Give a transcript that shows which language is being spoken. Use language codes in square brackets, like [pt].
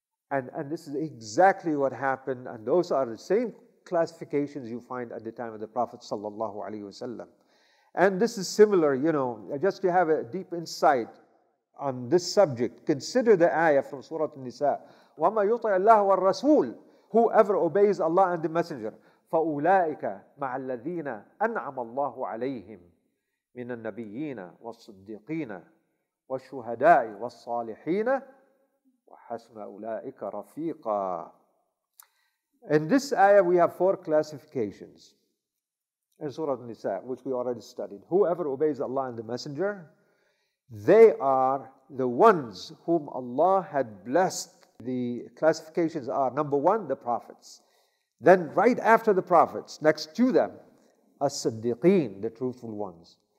[en] And this is exactly what happened. And those are the same classifications you find at the time of the Prophet sallallahu alaihi wasallam. And this is similar, you know, just to have a deep insight on this subject, consider the ayah from Surah An-Nisa. [ar] وَمَا يُطَعِ اللَّهُ وَالرَّسُولُ [en] Whoever obeys Allah and the Messenger, [ar] فَأُولَٰئِكَ مَعَ الَّذِينَ أَنْعَمَ اللَّهُ عَلَيْهِمْ مِنَ النَّبِيِّينَ وَالصِّدِّقِينَ وَالشُّهَدَاءِ وَالصَّالِحِينَ وَحَسْنَ أُولَٰئِكَ رَفِيقًا. [en] In this ayah, we have four classifications. In Surah An-Nisa, which we already studied, whoever obeys Allah and the Messenger, they are the ones whom Allah had blessed. The classifications are, number one, the prophets. Then right after the prophets, next to them, as-siddiqeen, the truthful ones.